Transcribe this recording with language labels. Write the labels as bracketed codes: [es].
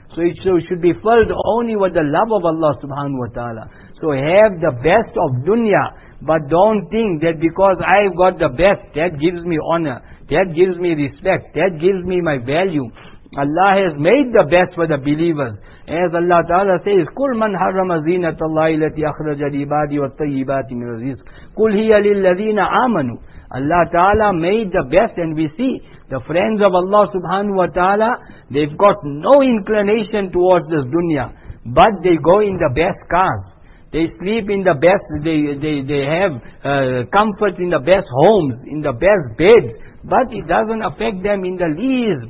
[en] So it should be filled only with the love of Allah subhanahu wa ta'ala. So have the best of dunya, but don't think that because I've got the best, that gives me honor, that gives me respect, that gives me my value. Allah has made the best for the believers. As Allah Ta'ala says, [ar] قُلْ مَنْ حَرَّمَ زِينَةَ اللَّهِ الَّتِي أَخْرَجَ الْعِبَادِ وَالطَّيِّبَاتِ مِنْ رِزْقِ قُلْ هِيَ لِلَّذِينَ آمَنُوا. [en] Allah Ta'ala made the best, and we see the friends of Allah subhanahu wa ta'ala, they've got no inclination towards this dunya, but they go in the best cars. They sleep in the best, they have comfort in the best homes, in the best beds, but it doesn't affect them in the least.